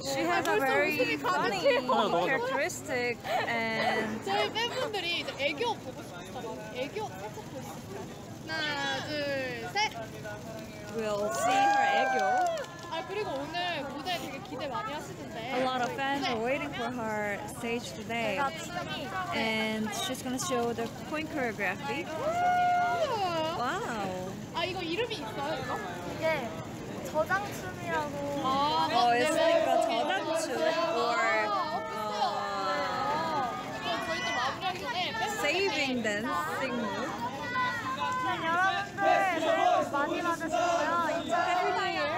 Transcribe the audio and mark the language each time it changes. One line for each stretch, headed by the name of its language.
English: She has a very funny characteristic.
Korean: 저희 팬분들이 이제 애교 보고 싶다고. 애교 살짝 보고 싶다. 하나, 둘, 셋.
English: We'll see her 애교.
Korean: 아, 그리고 오늘 무대 되게 기대 많이 하시던데.
English: A lot of fans are waiting for her stage today. And she's gonna show the point choreography. 와우.
Korean: 아 이거 이름이 있어요 이거? 이게 저장춤이라고. 아, 어, 네, 있으니까 네, 저장춤. 네. Or, 아, 없어요. 네. 저희도 마무리하기 전에
English: Saving Dancing Move.
Korean: 네, 여러분들 새해 복 많이 받으셨고요.